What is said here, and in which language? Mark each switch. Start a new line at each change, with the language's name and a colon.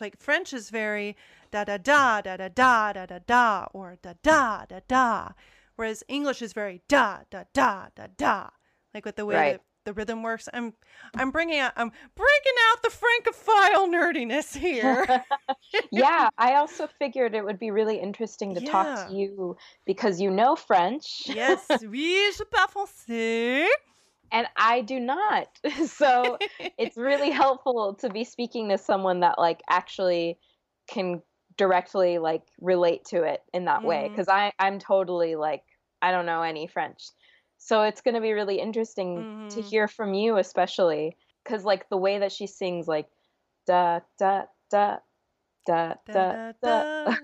English: Like French is very da da da da da da da da da or da da da da, whereas English is very da da da da da, like with the way right. the rhythm works. I'm breaking out the Francophile nerdiness here. Yeah, I also figured it would be really interesting to talk to you because you know French.
French: Yes, oui, je parle français.
English: And I do not. So it's really helpful to be speaking to someone that like actually can directly like relate to it in that way. Because I'm totally like, I don't know any French. So it's going to be really interesting to hear from you, especially because like the way that she sings, like da da da da da da